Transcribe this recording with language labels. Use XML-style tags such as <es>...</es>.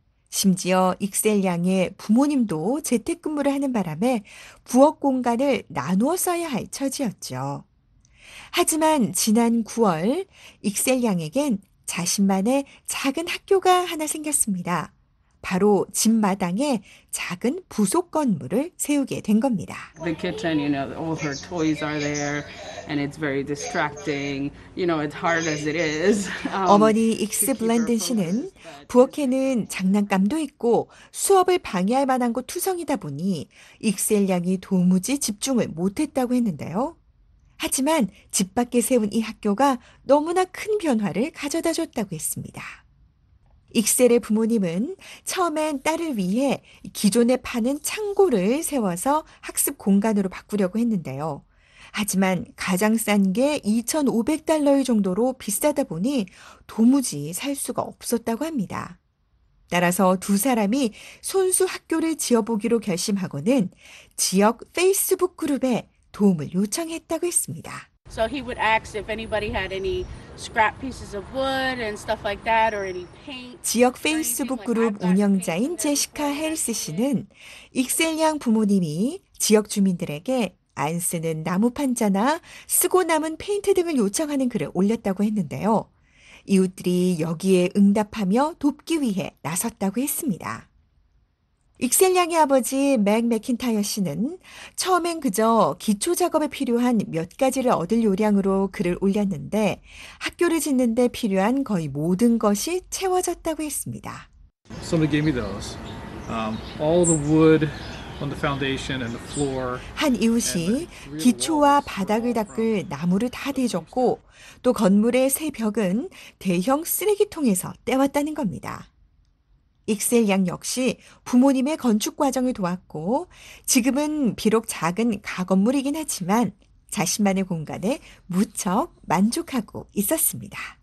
<ko>심지어 익셀 양의 부모님도 재택근무를 하는 바람에 부엌 공간을 나누어 써야 할 처지였죠. 하지만 지난 9월 익셀 양에겐 자신만의 작은 학교가 하나 생겼습니다. 바로 집 마당에 작은 부속 건물을 세우게 된 겁니다.</ko> <en>The kitchen, you know, all her toys are there and it's very distracting. You know, it's hard as it is.</en> <ko>어머니 익스 블랜든 씨는 부엌에는 장난감도 있고 수업을 방해할 만한 곳 투성이다 보니 익셀 양이 도무지 집중을 못 했다고 했는데요. 하지만 집 밖에 세운 이 학교가 너무나 큰 변화를 가져다 줬다고 했습니다. 익셀의 부모님은 처음엔 딸을 위해 기존에 파는 창고를 세워서 학습 공간으로 바꾸려고 했는데요. 하지만 가장 싼 게 $2,500 정도로 비싸다 보니 도무지 살 수가 없었다고 합니다. 따라서 두 사람이 손수 학교를 지어보기로 결심하고는 지역 페이스북 그룹에 도움을 요청했다고 했습니다.</ko> <en>So he would ask if anybody had any scrap pieces of wood and stuff like that or any paint.</en> <ko>지역 페이스북 그룹 운영자인 제시카 헬스 씨는 익셀 양 부모님이 지역 주민들에게 안 쓰는 나무 판자나 쓰고 남은 페인트 등을 요청하는 글을 올렸다고 했는데요. 이웃들이 여기에 응답하며 돕기 위해 나섰다고 했습니다. 익셀 양의 아버지 맥 맥킨타이어 씨는 처음엔 그저 기초 작업에 필요한 몇 가지를 얻을 요량으로 글을 올렸는데 학교를 짓는 데 필요한 거의 모든 것이 채워졌다고 했습니다.</ko> <en>Somebody gave me those. All the wood on the foundation and the floor.</en> <ko>한 이웃이 기초와 바닥을 닦을 나무를 다 대줬고 또 건물의 새 벽은 대형 쓰레기통에서 떼왔다는 겁니다. 익셀 양 역시 부모님의 건축 과정을 도왔고 지금은 비록 작은 가건물이긴 하지만 자신만의 공간에 무척 만족하고 있었습니다.</ko>